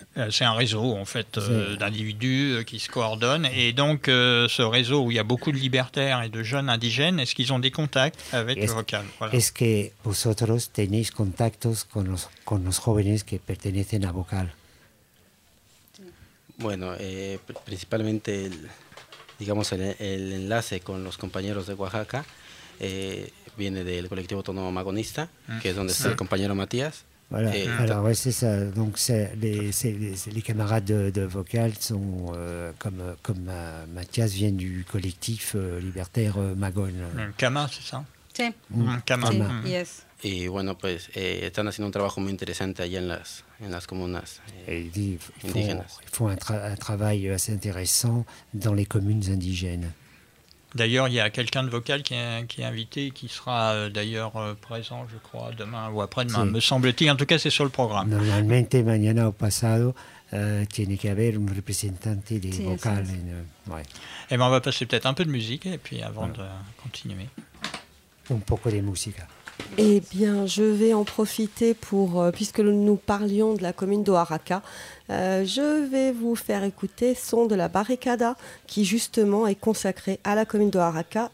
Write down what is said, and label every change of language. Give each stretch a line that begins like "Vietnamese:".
French: C'est un réseau, en fait, d'individus qui se coordonnent. Et donc, ce réseau où il y a beaucoup de libertaires et de jeunes indigènes, est-ce qu'ils ont des contacts avec le Vocal, voilà.
Spanish: Est-ce que vosotros tenéis contactos con los jóvenes que pertenecen a Vocal? Bueno, principalmente, el enlace con los compañeros de Oaxaca viene del colectivo autónomo magonista, que es donde está el compañero Matías.
French: Voilà. Alors, c'est ça. Donc, les camarades de Vocal sont comme Matías viennent du collectif libertaire Magon. Cama, c'est ça.
Spanish: Sí. Cama. Sí.
English: Yes.
Spanish: Y bueno, pues están haciendo un trabajo muy interesante allá en las comunas indígenas.
French: Font un travail assez intéressant dans les communes indigènes. D'ailleurs, il y a quelqu'un de Vocal qui est invité, qui sera d'ailleurs présent, je crois, demain ou après-demain, sí, me semble-t-il. En tout cas, c'est sur le programme.
Spanish: Normalmente, mañana o pasado, tiene que haber un representante de Vocal. Sí, sí. Ouais.
French: Et ben, on va passer peut-être un peu de musique, et puis avant de continuer.
Spanish: Un poco de música.
French: Eh bien, je vais en profiter pour, puisque nous parlions de la commune d'Oaxaca, je vais vous faire écouter Son de la Barricada, qui justement est consacré à la commune d'Oaxaca.